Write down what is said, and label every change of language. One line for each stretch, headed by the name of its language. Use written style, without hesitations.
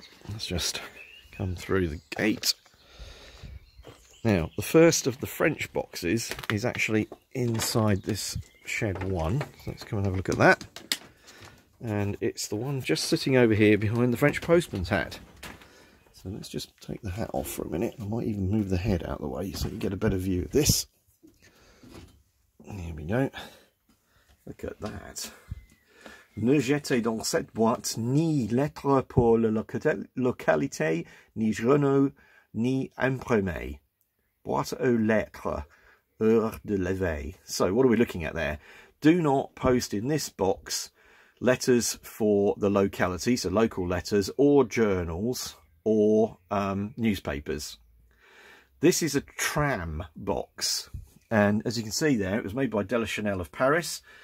English: Let's just come through the gate. Now, the first of the French boxes is actually inside this shed one. So let's come and have a look at that. And it's the one just sitting over here behind the French postman's hat. So let's just take the hat off for a minute. I might even move the head out of the way so you get a better view of this. Here we go. Look at that.
French: Ne jetez dans cette boîte ni lettre pour la localité, ni journaux, ni imprimé. Boîte aux lettres, heure de lever.
English: So what are we looking at there? Do not post in this box letters for the locality, so local letters, or journals, or newspapers. This is a tram box. And as you can see there, it was made by Delachanel of Paris.